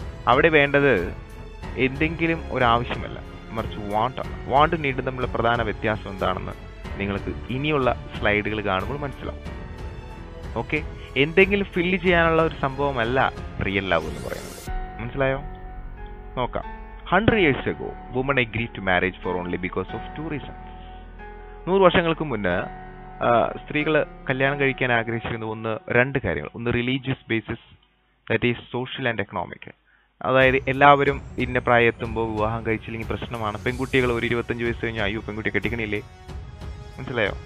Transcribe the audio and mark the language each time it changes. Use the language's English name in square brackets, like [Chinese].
[Malayalam] അവിടെ വേണ്ടത് എന്തെങ്കിലും ഒരാവശ്യമല്ല, മറിച്ച് വാണ്ട് ആണ്. വാണ്ട് നീഡ് തമ്മിലുള്ള പ്രധാന വ്യത്യാസം എന്താണെന്ന് നിങ്ങൾക്ക് ഇനിയുള്ള സ്ലൈഡുകൾ കാണുമ്പോൾ മനസ്സിലാവും. ഓക്കെ, എന്തെങ്കിലും ഫില്ല് ചെയ്യാനുള്ള ഒരു സംഭവമല്ല റിയൽ ലവ് എന്ന് പറയുന്നത്. മനസ്സിലായോ? നോക്കാം. [English] 100 years ago, women agreed to marriage for only because of 2 reasons. [Malayalam] 100 വർഷങ്ങൾക്ക് മുന്നേ സ്ത്രീകൾ കല്യാണം കഴിക്കാൻ ആഗ്രഹിച്ചിരുന്ന ഒന്ന് രണ്ട് കാര്യങ്ങൾ. [English] ഒന്ന് religious basis, that is social and economic. [Malayalam] അതായത് എല്ലാവരും ഇന്ന പ്രായം എത്തുമ്പോൾ വിവാഹം കഴിച്ചില്ലെങ്കിൽ പ്രശ്നമാണ്. പെൺകുട്ടികൾ ഒരു 25 വയസ്സ് കഴിഞ്ഞാൽ അയ്യോ പെൺകുട്ടി കെട്ടിക്കണില്ലേ, മനസ്സിലായോ?